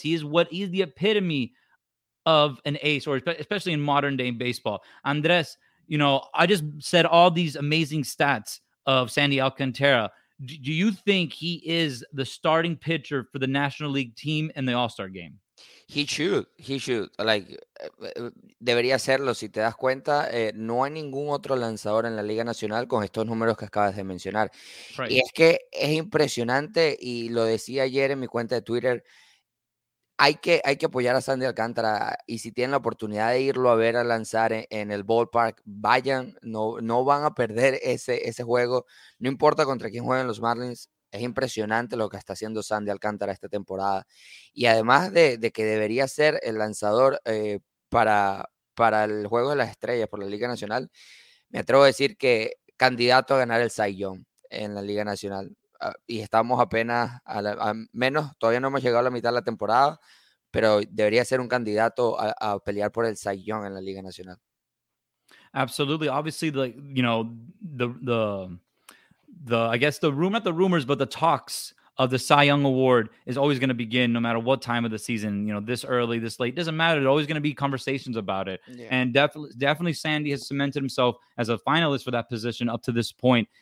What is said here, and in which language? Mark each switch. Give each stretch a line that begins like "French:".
English: He's the epitome of an ace, or especially in modern-day baseball. Andres, you know, I just said all these amazing stats of Sandy Alcantara. Do you think he is the starting pitcher for the National League team in the All-Star game? He should, like,
Spanish: debería hacerlo. Si te das cuenta, no hay ningún otro lanzador en la Liga Nacional con estos números que acabas de mencionar. Right. Y es que es impresionante, y lo decía ayer en mi cuenta de Twitter, hay que apoyar a Sandy Alcántara, y si tienen la oportunidad de irlo a ver a lanzar en el ballpark, vayan, no van a perder ese juego, no importa contra quién jueguen los Marlins. Es impresionante lo que está haciendo Sandy Alcántara esta temporada. Y además de que debería ser el lanzador para el Juego de las Estrellas por la Liga Nacional, me atrevo a decir que candidato a ganar el Cy Young en la Liga Nacional. Y estamos apenas, todavía no hemos llegado a la mitad de la temporada, pero debería ser un candidato a pelear por el Cy Young en la Liga Nacional.
English: Absolutely. Obviously, the talks of the Cy Young Award is always going to begin no matter what time of the season, you know, this early, this late, doesn't matter. There's always going to be conversations about it. Yeah. And definitely Sandy has cemented himself as a finalist for that position up to this point.